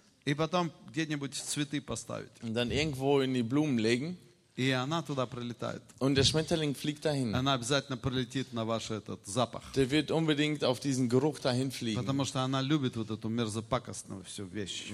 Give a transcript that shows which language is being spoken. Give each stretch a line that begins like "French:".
Russian: И потом где-нибудь цветы поставить.
German: Und dann irgendwo in die Blumen legen.
Russian: И она туда прилетает.
German: Und der Schmetterling fliegt dahin.
Russian: Она обязательно прилетит на ваш этот запах.
German: Der wird unbedingt auf diesen Geruch dahin fliegen.
Russian: Потому что она любит вот эту мерзопакостную всю вещь.